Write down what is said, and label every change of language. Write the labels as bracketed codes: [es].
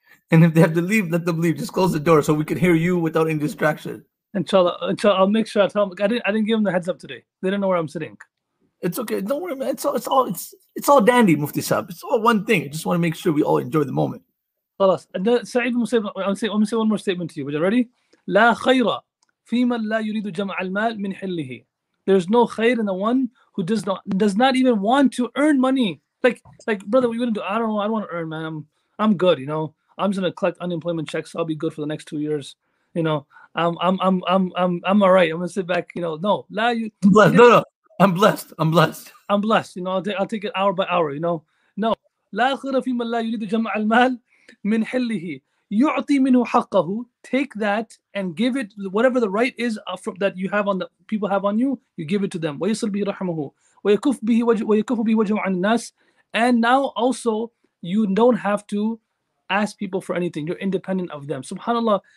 [en] And if they have to leave, let them leave. Just close the door so we can hear you without any distraction. Inshallah, I'll make sure I tell them. I didn't give them the heads up today. They don't know where I'm sitting. It's okay. Don't worry, man. It's all dandy, Mufti Sahib. It's all one thing. I just want to make sure we all enjoy the moment. Sa'id, I'm going to say one more statement to you. Are you ready? [ar] لا خير في من لا يريد جمع المال من حله. [en] There's no khair in the one who does not even want to earn money. Like brother, what are you going to do? I don't know. I don't want to earn, man. I'm good, you know. I'm just going to collect unemployment checks. I'll be good for the next 2 years, you know. I'm all right. I'm going to sit back, you know. No. [ar] لا [en] ي... I'm blessed. No. I'm blessed. I'm blessed, you know. I'll take it hour by hour, you know. No. [ar] لا خير في من لا يريد جمع المال من حله يعطي منه حقه. [en] Take that and give it whatever the right is that you have on the people have on you. You give it to them. [ar] ويصل به رحمه ويكف به وجهه عن الناس. [en] And now also you don't have to ask people for anything. You're independent of them. Subhanallah.